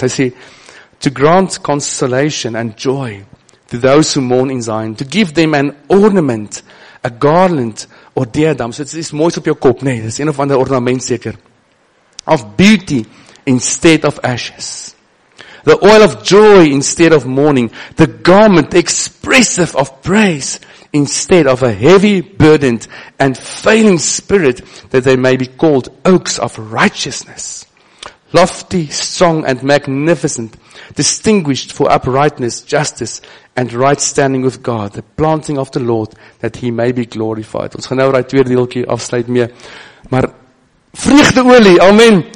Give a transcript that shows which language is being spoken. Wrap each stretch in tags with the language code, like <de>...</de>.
<af>Hy sê</af> <en>to grant consolation and joy to those who mourn in Zion, to give them an ornament, a garland or diadem.</en> <af>So dit is mooi op jou kop, nee, dit is een of ander ornament seker.</af> <en>Of beauty instead of ashes. The oil of joy instead of mourning, the garment expressive of praise instead of a heavy burdened and failing spirit, that they may be called oaks of righteousness, lofty, strong and magnificent, distinguished for uprightness, justice and right standing with God, the planting of the Lord, that he may be glorified.</en> <af>Ons gaan nou daai tweede deeltjie afsluit mee, maar vreugdeolie, amen.</af>